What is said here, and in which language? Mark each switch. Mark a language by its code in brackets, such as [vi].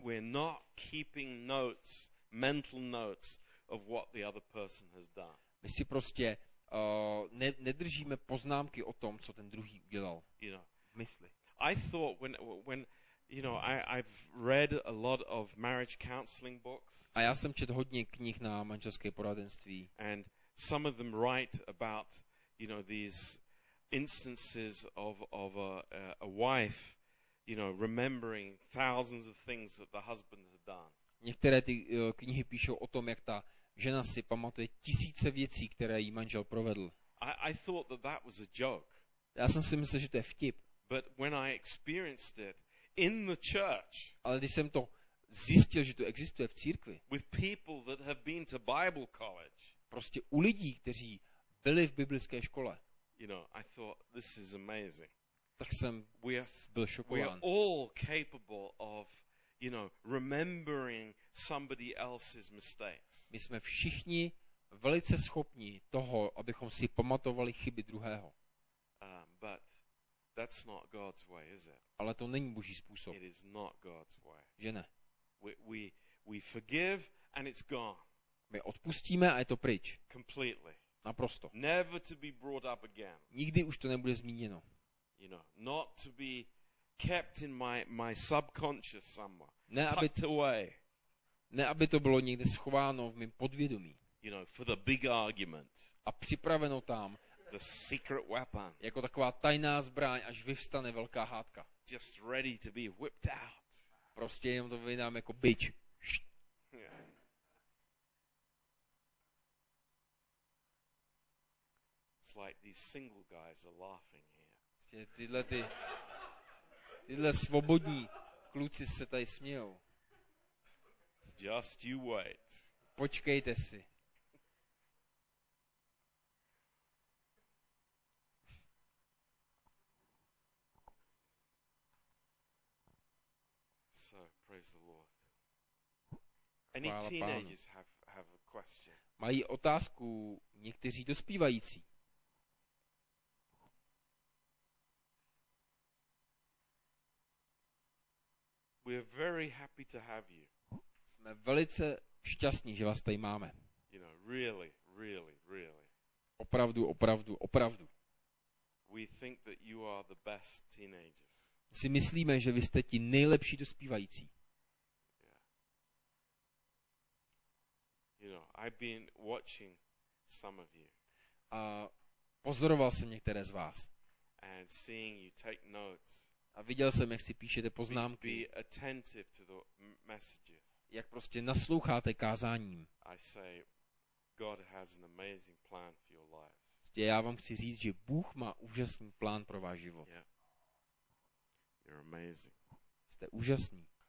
[en] We're not keeping notes, mental notes of what the other person has done. [cs] My si prostě nedržíme poznámky o tom, co ten druhý udělal. [en] You know, [cs] mysli. [en] I thought when you know, I've read a lot of marriage counseling books. [cs] A já jsem četl hodně knih na manželské poradenství. [en] And some of them write about, you know, these instances of a wife, you know, remembering thousands of things that the husband has done. [cs] Některé ty knihy píšou o tom, jak ta žena si pamatuje tisíce věcí, které jí manžel provedl. [en] I thought that that was a joke. [cs] Já jsem si myslel, že to je vtip. [en] But when I experienced it in the church. [cs] Ale když jsem to zjistil, že to existuje v církvi. [en] With people that have been to Bible college. [cs] Prostě u lidí, kteří byli v biblické škole. [en] You know, I thought this is amazing. [cs] Tak jsem byl šokován. [en] We are all capable of, you know, remembering somebody else's mistakes. [cs] My jsme všichni velice schopni toho, abychom si pamatovali chyby druhého. [en] But that's not God's way, is it? [cs] Ale to není Boží způsob. [en] It is not God's way. [cs] Že ne? [en] We forgive and it's gone. [cs] My odpustíme a je to pryč. [en] Completely. [cs] Naprosto. [en] Never to be brought up again. [cs] Nikdy už to nebude zmíněno. [en] You know, not to be kept in my subconscious somewhere. [cs] Ne, aby to bylo někde schováno v mém podvědomí. [en] You know, for the big argument. [cs] A připraveno tam. [en] The secret weapon. [cs] Jako taková tajná zbraň, až vyvstane velká hádka. [en] Just ready to be whipped out. [cs] Prostě jenom to vydám jako bič. [en] It's like these single guys are laughing here. [cs] Tyhle svobodní kluci se tady smějou. [en] Just you wait. [cs] Počkejte si. [en] Praise the Lord. Any teenagers have a question? [cs] Mají otázku někteří dospívající? [en] We are very happy to have you. [cs] Jsme velice šťastní, že vás tady máme. [en] You know, really, really, really. [cs] Opravdu, opravdu, opravdu. [en] We think that you are the best teenagers. [cs] Si myslíme, že vy jste ti nejlepší dospívající. [en] You know, I've been watching some of you. [cs] A pozoroval jsem některé z vás. [en] And seeing you take notes. [cs] A viděl jsem, jak si píšete poznámky. [en] Be attentive to the messages. [cs] Jak prostě nasloucháte kázáním. [en] I say, God has an amazing plan for your life. [cs] Prostě já vám chci říct, že Bůh má úžasný plán pro váš život. [en] Yeah. You're amazing. [cs] Jste úžasný.